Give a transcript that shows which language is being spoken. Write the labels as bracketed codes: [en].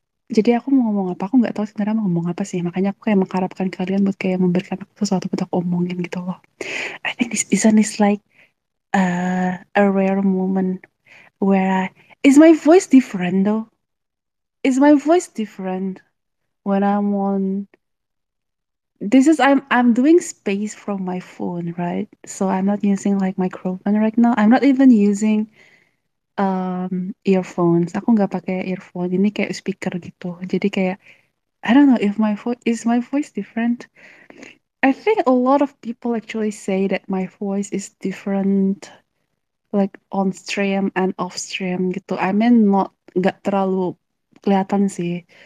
[id] Jadi aku mau ngomong apa? Aku nggak tahu sebenarnya mau ngomong apa sih. Makanya aku kayak mengharapkan kalian buat kayak memberikan aku sesuatu buat aku omongin gitu loh. [en] I think this isn't this like a rare moment where I... Is my voice different though? Is my voice different when I'm on? This is I'm doing space from my phone, right? So I'm not using like microphone right now. I'm not even using earphones. [id] Aku nggak pakai earphone. Ini kayak speaker gitu. Jadi kayak [en] I don't know if my voice is my voice different. I think a lot of people actually say that my voice is different, like on stream and off stream gitu. I mean not [id] nggak terlalu kelihatan sih.